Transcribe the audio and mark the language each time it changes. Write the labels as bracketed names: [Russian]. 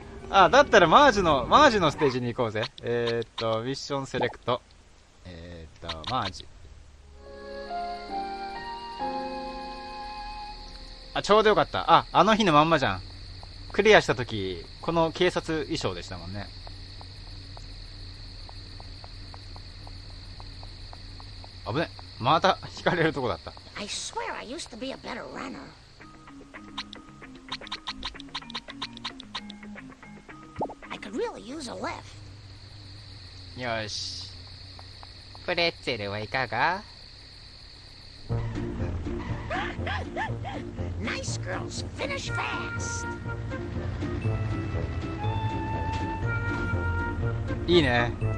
[Japanese] あ、だったらマージのステージに行こうぜ。ミッションセレクト、マージ、あ、ちょうどよかった。あの日のまんまじゃん。クリアした時この警察衣装でしたもんね。危ね、また引かれるとこだった。 [English] I swear I used to be a better runner. I could really use a lift. [Japanese] よし。プレッツェルはいかが？ [English] Nice girls finish fast. [Japanese] いいね。